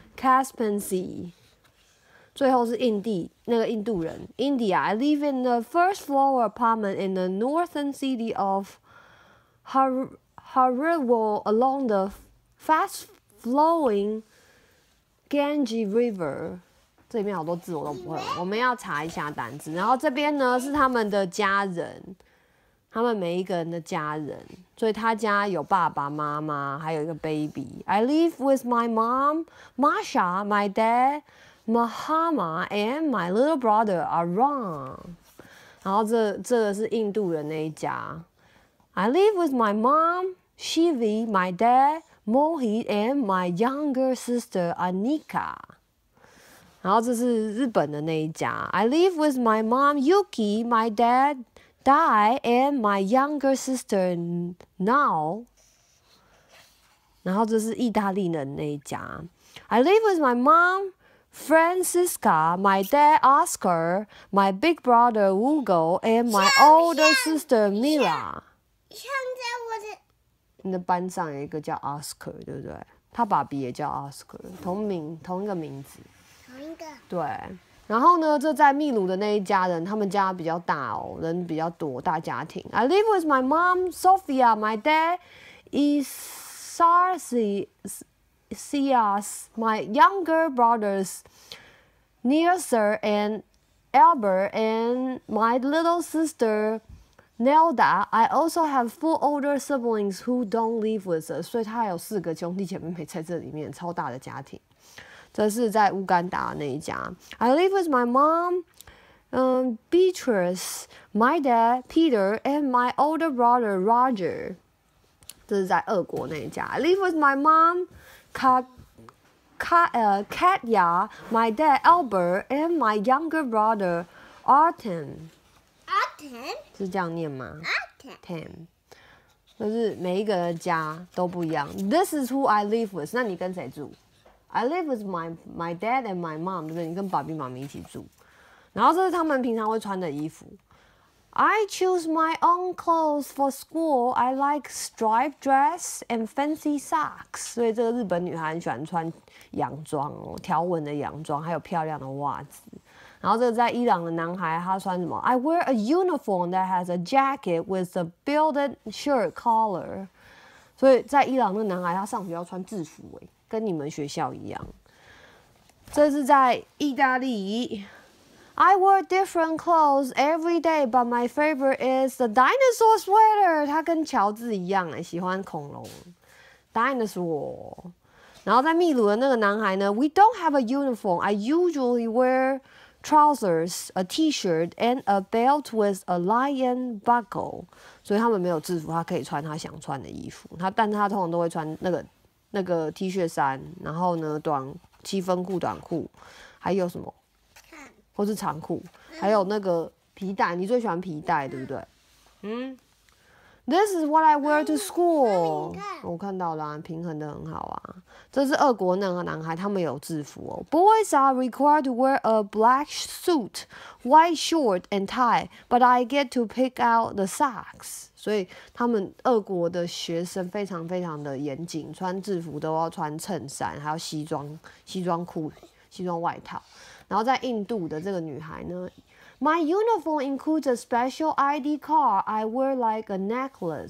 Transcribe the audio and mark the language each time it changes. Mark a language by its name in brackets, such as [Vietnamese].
[Chinese] Caspensy. 最后是印地，那个印度人 India. [English] I live in the first floor apartment in the northern city of Harihwal along the fast flowing Ganges River. [Chinese] 这里面好多字我都不会，我们要查一下单字。然后这边呢是他们的家人。他们每一个人的家人，所以他家有爸爸妈妈，还有一个 baby。 [English] I live with my mom, Masha, my dad, Mahama, and my little brother, Aram。 [Chinese] 然后这个是印度人那一家。 [English] I live with my mom, Shivi, my dad, Mohit, and my younger sister, Anika。 [Chinese] 然后这是日本的那一家。 [English] I live with my mom, Yuki, my dad,Die and my younger sister now. [Chinese] 然后这是意大利人那一家。 [English] I live with my mom, Francisca, my dad, Oscar, my big brother, Hugo, and my older sister, Mila. [Chinese] 像在我的你的班上有一个叫 Oscar, 对不对？他爸比也叫 Oscar, 同一个名字。同一个。对。然后呢，这在秘鲁的那一家人，他们家比较大哦，人比较多，大家庭。 [English] I live with my mom, Sophia, my dad, Isarsias, my younger brothers, Nilsir and Albert, and my little sister, Nelda. I also have four older siblings who don't live with us. [Chinese] 所以他有四个兄弟姐妹在这里面，超大的家庭。这是在乌干达那一家。 [English] I live with my mom, Beatrice, my dad, Peter, and my older brother, Roger. [Chinese] 这是在俄国那一家。 [English] I live with my mom, Katya, my dad, Albert, and my younger brother, Artem. Artem? [Chinese] 是这样念吗？ [English] Artem. [Chinese] 就是每一个家都不一样。 [English] This is who I live with. [Chinese] 那你跟谁住？ [English] I live with my dad and my mom, [Chinese] 对不对？你跟爸比妈咪一起住。然后这是他们平常会穿的衣服。 [English] I choose my own clothes for school. I like striped dress and fancy socks. [Chinese] 所以这个日本女孩很喜欢穿洋装哦，条纹的洋装，还有漂亮的袜子。然后这个在伊朗的男孩，他穿什么 ？ [English] I wear a uniform that has a jacket with a belted shirt collar. [Chinese] 所以在伊朗那个男孩，他上学要穿制服哎。跟你们学校一样，这是在意大利。 [English] I wear different clothes every day, but my favorite is the dinosaur sweater. [Chinese] 他跟乔治一样哎，喜欢恐龙 ，dinosaur。然后在秘鲁的那个男孩呢 ， [English] We don't have a uniform. I usually wear trousers, a T-shirt, and a belt with a lion buckle. [Chinese] 所以他们没有制服，他可以穿他想穿的衣服。但是他通常都会穿那个 T 恤衫，然后呢，短七分裤、短裤，还有什么？或是长裤，还有那个皮带。你最喜欢皮带，对不对？嗯。 [English] This is what I wear to school. [Chinese] 我看到了、啊，平衡的很好啊。这是俄国那个男孩，他们有制服哦。 [English] Boys are required to wear a black suit, white short and tie, but I get to pick out the socks. [Chinese] 所以他们俄国的学生非常非常的严谨，穿制服都要穿衬衫，还有西装裤、西装外套。然后在印度的这个女孩呢？ [English] My uniform includes a special ID card. I wear like a necklace.